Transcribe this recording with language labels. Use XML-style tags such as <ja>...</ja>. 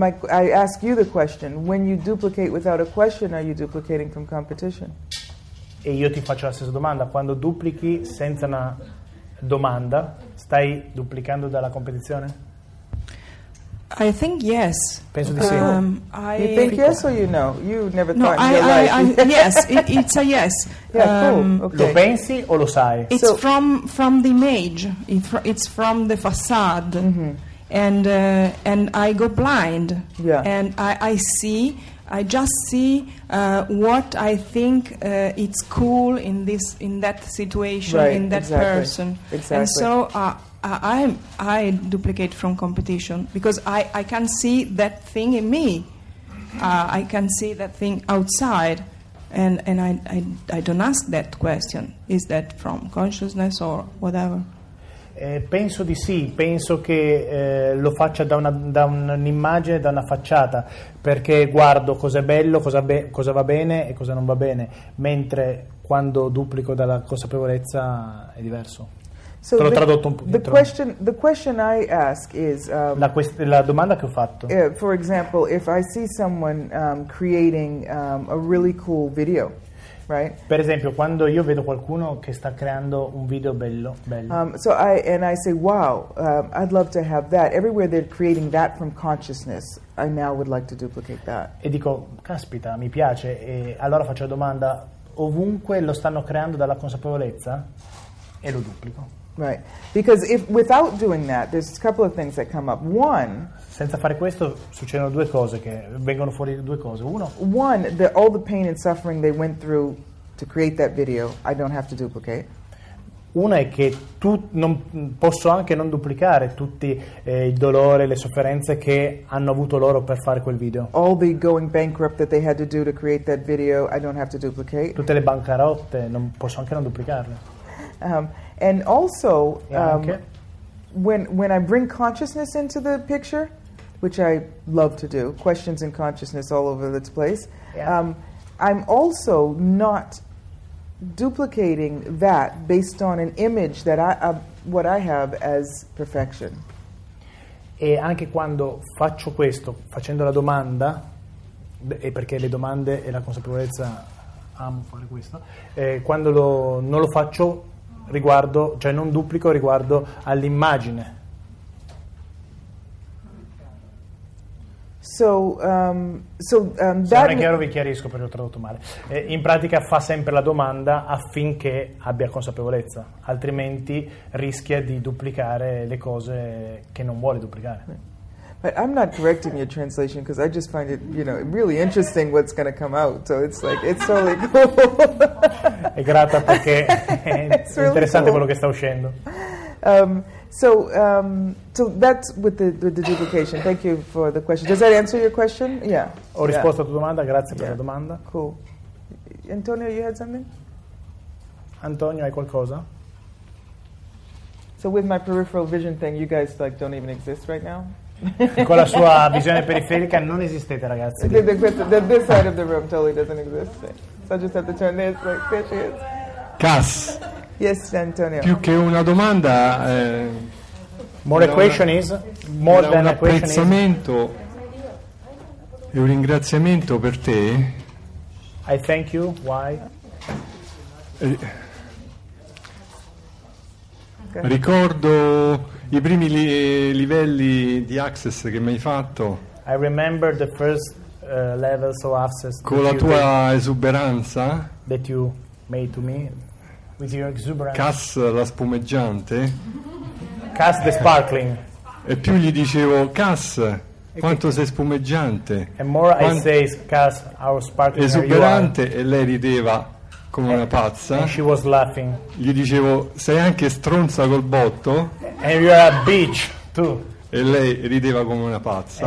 <en>I ask you the question: when you duplicate without a question, are you duplicating from competition?</en> <it>E io ti faccio la stessa domanda: quando duplichi senza una domanda, stai duplicando dalla competizione?</it> <en>I think yes.</en> <it>Penso di sì.</it> <en>You think yes or you know? You never thought no, in your life. Yes, it's a yes. Yeah, cool. Okay.</en> <it>Lo pensi o lo sai?</it> <en>It's so, from the image. It's from the facade. Mm-hmm. And I go blind. Yeah. And I just see what I think it's cool in this, in that situation, right, in that exactly. person. Exactly. And so I duplicate from competition because I can see that thing in me. I can see that thing outside, and I don't ask that question. Is that from consciousness or whatever?</en> <it>Penso di sì, penso che lo faccia da un'immagine, da una facciata, perché guardo cosa è bello, cosa va bene e cosa non va bene, mentre quando duplico dalla consapevolezza è diverso.</it> <en>So</en> <it>te l'ho tradotto un pochino.</it> <en>The question I ask is,</en> <it>la domanda che ho fatto.</it> <en>For example, if I see someone creating a really cool video. Right.</en> <it>Per esempio, quando io vedo qualcuno che sta creando un video bello.</it> <en>I say, wow, I'd love to have that. Everywhere they're creating that from consciousness, I now would like to duplicate that.</en> <it>E dico, caspita, mi piace. E allora faccio la domanda, ovunque lo stanno creando dalla consapevolezza? E lo duplico.</it> <en>Right. Because if without doing that, there's a couple of things that come up. One.</en> <it>Senza fare questo succedono due cose che vengono fuori due cose. Uno.</it> <en>One, that all the pain and suffering they went through to create that video, I don't have to duplicate.</en> <it>Una è che posso anche non duplicare tutti il dolore, le sofferenze che hanno avuto loro per fare quel video.</it> <en>All the going bankrupt that they had to do to create that video, I don't have to duplicate.</en> <it>Tutte le bancarotte, non posso anche non duplicarle.</it> <en>And also, when I bring consciousness into the picture, which I love to do, questions and consciousness all over the place, I'm also not duplicating that based on an image that what I have as perfection.</en> <it>E anche quando faccio questo, facendo la domanda, e perché le domande e la consapevolezza amo fare questo, quando non lo faccio riguardo, cioè non duplico riguardo all'immagine.</it> <en>So</en> <it>non è chiaro, vi chiarisco perché ho tradotto male. In pratica fa sempre la domanda affinché abbia consapevolezza, altrimenti rischia di duplicare le cose che non vuole duplicare.</it> <en>But I'm not correcting your translation because I just find it, you know, really interesting what's going to come out. So it's like, it's totally cool.</en> <it>È grata perché è interessante quello che sta uscendo.</it> <en>So that's with the duplication. Thank you for the question. Does that answer your question? Yeah.</en> <it>Ho risposto a tua domanda, grazie per la domanda.</it> <en>Cool. Antonio, you had something?</en> <it>Antonio, hai qualcosa?</it> <en>So with my peripheral vision thing, you guys like don't even exist right now?</en> <it>Con la sua visione periferica non esistete, ragazzi.</it> <en>This side of the room totally doesn't exist. So I just have to turn this, like, there she is. Cass. Yes, Antonio.</en> <it>Più che una domanda,</it> <en>more equation is more than a question.</en> <it>Un apprezzamento e un ringraziamento per te.</it> <en>I thank you. Why?</en> <it>Ricordo i primi livelli di access che mi hai fatto.</it> <en>I remember the first levels of access.</en> <it>Con la tua esuberanza.</it> <en>That you made to me. With your exuberance.</en> <it>Cass la spumeggiante.</it> <en>Cass the sparkling.</en> <it>E più gli dicevo, Cass, quanto sei spumeggiante.</it> <en>And more I say, Cass, how sparkling</en> <it>esuberante, e lei rideva come una pazza.</it> <en>And she was laughing.</en> <it>Gli dicevo, sei anche stronza col botto.</it> <en>And you are a bitch too.</en> <it>E lei rideva come una pazza.</it>